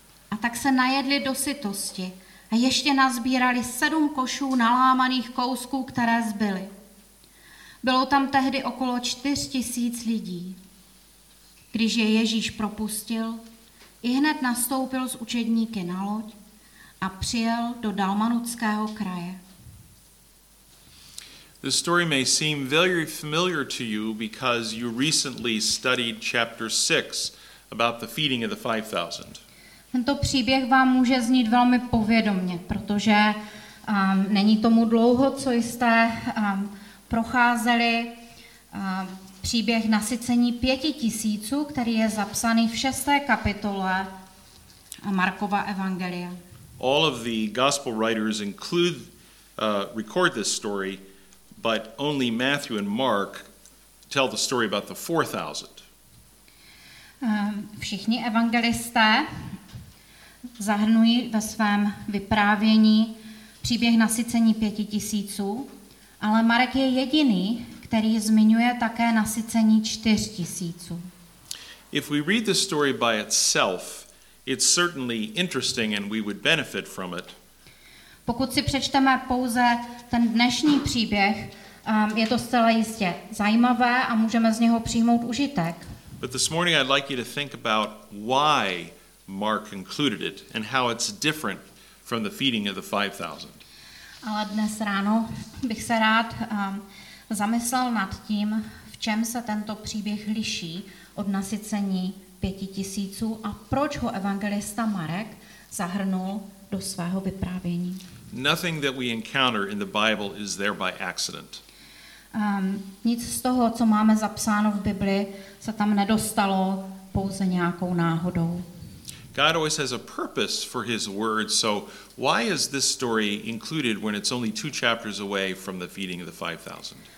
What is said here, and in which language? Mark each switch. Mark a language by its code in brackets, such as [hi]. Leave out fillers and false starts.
[cs] A tak se najedli do sytosti, a ještě nazbírali 7 košů nalámaných kousků, které zbyly. Bylo tam tehdy okolo 4000 lidí. Když je Ježíš propustil, ihned nastoupil s učedníky na loď a přijel do dalmanutského kraje. [en] The story may seem very familiar to you because you recently studied chapter 6 about the feeding of the 5000. [cs] Tento příběh vám může znít velmi povědomně, protože není tomu dlouho, co jste procházeli příběh nasycení 5000, který je zapsaný v 6. kapitole Markova evangelia. [en] All of the gospel writers include record this story, but only Matthew and Mark tell the story about the 4000. [cs] Všichni evangelisté zahrnují ve svém vyprávění příběh nasycení 5000, ale Marek je jediný, který zmiňuje také nasycení 4000. [en] If we read the story by itself, it's certainly interesting and we would benefit from it. [cs] Pokud si přečteme pouze ten dnešní příběh, je to zcela jistě zajímavé a můžeme z něho přijmout užitek. [en] But this morning I'd like you to think about why Mark included it and how it's different from the feeding of the 5,000. [cs] Ale dnes ráno bych se rád zamyslel nad tím, v čem se tento příběh liší od nasycení 5,000 a proč ho evangelista Marek zahrnul do svého vyprávění. [en] Nothing that we encounter in the Bible is there by accident. [cs] Nic z toho, co máme zapsáno v Bibli, se tam nedostalo pouze nějakou náhodou. [en] God always has a purpose for his word, so why is this story included when it's only two chapters away from the feeding of the 5,000?